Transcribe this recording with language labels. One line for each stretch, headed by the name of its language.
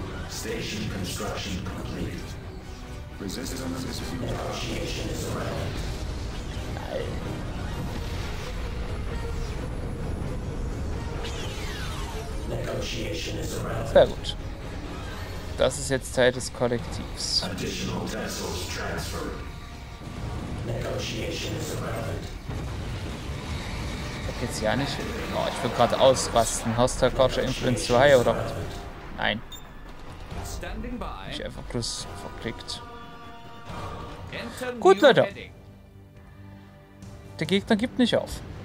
English: Station construction complete. Negotiation is irrelevant.
German: Sehr gut. Das ist jetzt Teil des Kollektivs.
English: Additional vessels transferred. Negotiation is irrelevant.
German: Da geht's ja nicht hin. Oh, ich will gerade ausrasten. Hostile Culture Influence 2 oder? Nein.
English: Standing by.
German: Ich einfach plus verklickt. Gut, Leute. Der Gegner gibt nicht auf.